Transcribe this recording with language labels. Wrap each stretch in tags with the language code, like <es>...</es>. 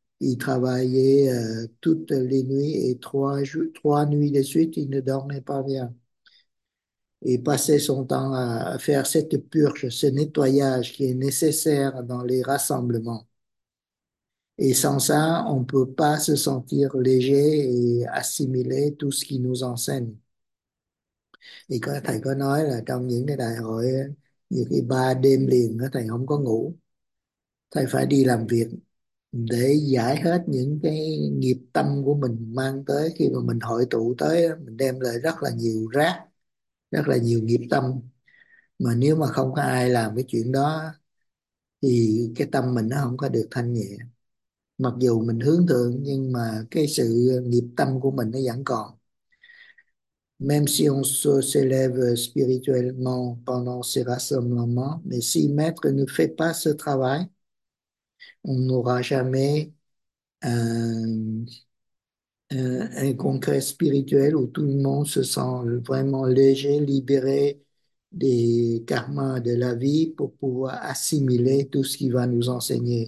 <fr>Il travaillait toutes les nuits et 3 nuits de suite, il ne dormait pas bien. Il passait son temps à faire cette purge, ce nettoyage qui est nécessaire dans les rassemblements. Et sans ça, on ne peut pas se sentir léger et assimiler tout ce qu'il nous enseigne.</fr> <vi>Et thầy có nói là trong những cái đại hội, những cái 3 đêm liền, thầy không có ngủ. Thầy phải đi làm việc để giải hết những cái nghiệp tâm của mình mang tới. Khi mà mình hội tụ tới, mình đem lại rất là nhiều rác, rất là nhiều nghiệp tâm. Mà nếu mà không có ai làm cái chuyện đó, thì cái tâm mình nó không có được thanh nhẹ. Mặc dù mình hướng thượng nhưng mà cái sự nghiệp tâm của mình nó vẫn còn.</vi> <fr>Même si on se lève spirituellement pendant ces rassemblements, mais si maître ne fait pas ce travail, on n'aura jamais un congrès spirituel où tout le monde se sent vraiment léger, libéré des karmas de la vie pour pouvoir assimiler tout ce qu'il va nous enseigner.</fr>